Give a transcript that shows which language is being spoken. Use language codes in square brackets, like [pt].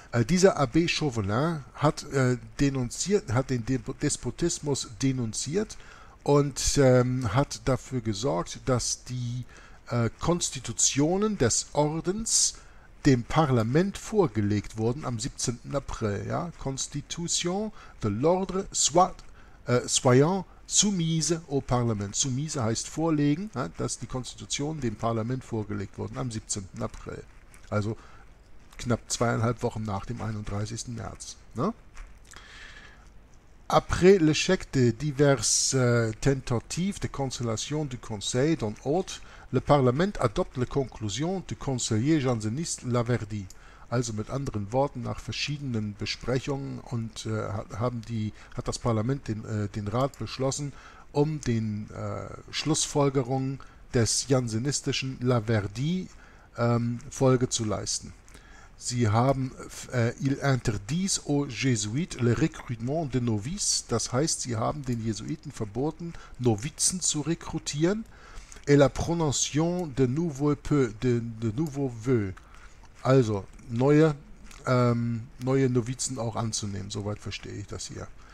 [de] Dieser Abbé Chauvelin hat den Despotismus denunziert und hat dafür gesorgt, dass die Konstitutionen des Ordens dem Parlament vorgelegt wurden am 17. April. Ja? [fr] Constitution de l'ordre soyant soumise au Parlement. [de] Soumise heißt vorlegen, ja? Dass die Konstitutionen dem Parlament vorgelegt wurden am 17. April. Also knapp 2,5 Wochen nach dem 31. März. Ne? [fr] Après l'échec de diverses tentatives de conciliation du Conseil dans l'ordre, le Parlament adopte la conclusion du conseiller janséniste Laverdy. [de] Also mit anderen Worten, nach verschiedenen Besprechungen und hat das Parlament den Rat beschlossen, um den Schlussfolgerungen des jansenistischen Laverdy Folge zu leisten. Sie haben [fr] il interdit aux Jésuites le recrutement de novices, [de] das heißt, sie haben den Jesuiten verboten, Novizen zu rekrutieren, [fr] et la prononciation de nouveaux vœux, [de] also neue Novizen auch anzunehmen, soweit verstehe ich das hier.